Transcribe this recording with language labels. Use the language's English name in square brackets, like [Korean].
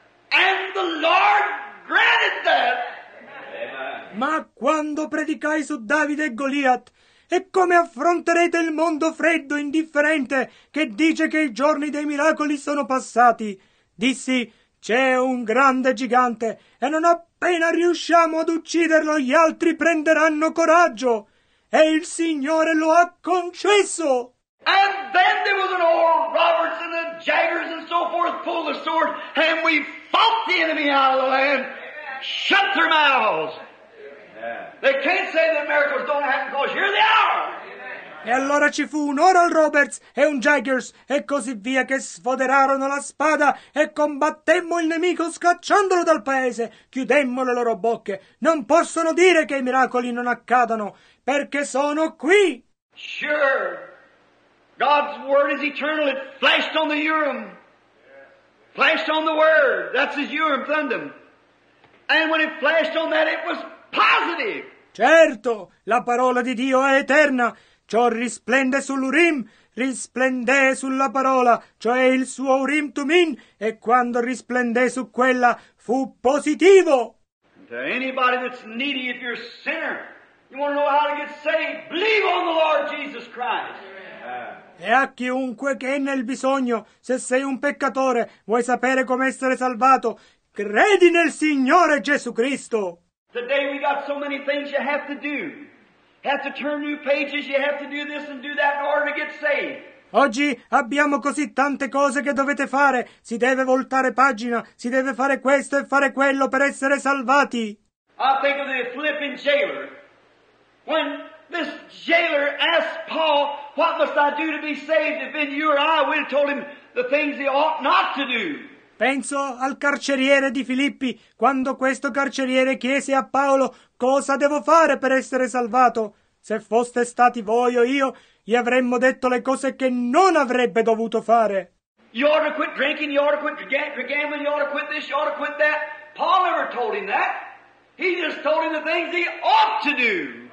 [English] And the Lord granted that. [Italian] Ma quando predicai su Davide e Goliath, e come affronterete il mondo freddo e indifferente che dice che i giorni dei miracoli sono passati? Dissi, c'è un grande gigante, e non appena riusciamo ad ucciderlo, gli altri prenderanno coraggio. E il Signore lo ha concesso. [English] And then there was an Oral Roberts and the Jaggers and so forth pulled the sword, and we fought the enemy out of the land. Amen. Shut their mouths. Amen. They can't say that miracles don't happen because here they are. [Italian] E allora ci fu un Oral Roberts e un Jaggers e così via che sfoderarono la spada e combattemmo il nemico scacciandolo dal paese, chiudemmo le loro bocche. Non possono dire che i miracoli non accadano, perché sono qui. [English] Sure, God's word is eternal, it flashed on the Urim. Flashed on the word, that's his Urim Thummim. And when it flashed on that, it was positive. [Italian] Certo, la parola di Dio è eterna. Ciò risplende sull'Urim, risplende sulla parola, cioè il suo Urim Tumim, e quando risplende su quella, fu positivo. [English] To anybody that's needy, if you're a sinner, you want to know how to get saved, believe on the Lord Jesus Christ. [Italian] E a chiunque che è nel bisogno, se sei un peccatore, vuoi sapere come essere salvato, credi nel Signore Gesù Cristo. [English] Today we got so many things you have to do. Have to turn new pages, you have to do this and do that in order to get saved. [Italian] Oggi abbiamo così tante cose che dovete fare. Si deve voltare pagina, si deve fare questo e fare quello per essere salvati. [English] I think of the Philippian jailer. When this jailer asked Paul, what must I do to be saved? If in you or I will told him the things he ought not to do. [Italian] Penso al carceriere di Filippi, quando questo carceriere chiese a Paolo cosa devo fare per essere salvato. Se foste stati voi o io, gli avremmo detto le cose che non avrebbe dovuto fare. [English] You ought to quit drinking, you ought to quit gambling, you ought to quit this, you ought to quit that. Paul never told him that. He just told him the things he ought to do.